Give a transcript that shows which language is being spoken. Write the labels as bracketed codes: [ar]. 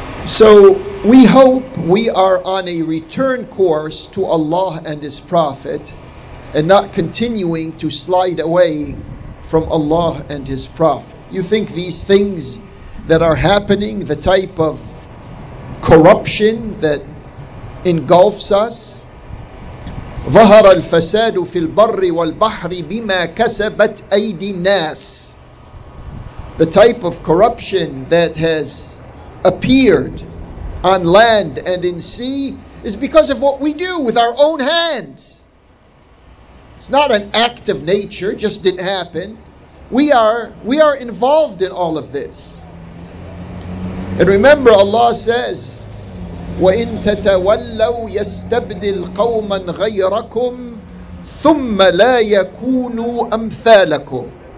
[en] So we hope we are on a return course to Allah and His Prophet and not continuing to slide away from Allah and His Prophet. You think these things that are happening, the type of corruption that engulfs us. [ar] ظهر الفساد في البر والبحر بما كسبت أيدي الناس. [en] The type of corruption that has appeared on land and in sea is because of what we do with our own hands. It's not an act of nature, just didn't happen. We are involved in all of this. And remember, Allah says, [ar] وَإِن تَتَوَلَّوْا يَسْتَبْدِلْ قَوْمًا غَيْرَكُمْ ثُمَّ لَا يَكُونُوا أَمْثَالَكُمْ.